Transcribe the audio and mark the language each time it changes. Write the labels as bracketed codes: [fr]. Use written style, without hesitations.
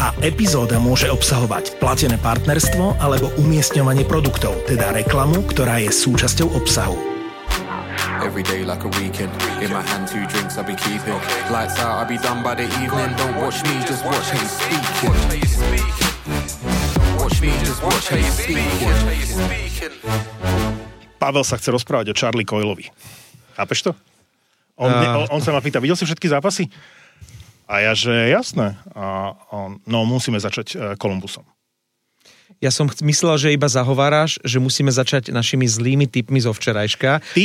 [sk] A epizóda môže obsahovať platené partnerstvo alebo umiestňovanie produktov, teda reklamu, ktorá je súčasťou obsahu. [en] Every day like a weekend, in my hand 2 drinks I'll be keeping. Lights out, I'll be done by the evening. Don't watch me, just watch how you speak. Watch how you speak. Watch me, just watch how you speak. Watch how you speak. [sk] Pavel sa chce rozprávať o Charlie Coyle-ovi. Chápeš to? On sa ma pýta, videl si všetky zápasy? A ja, že jasné. No, musíme začať Kolumbusom. Ja som myslel, že iba zahováraš, že musíme začať našimi zlými tipmi zo včerajška.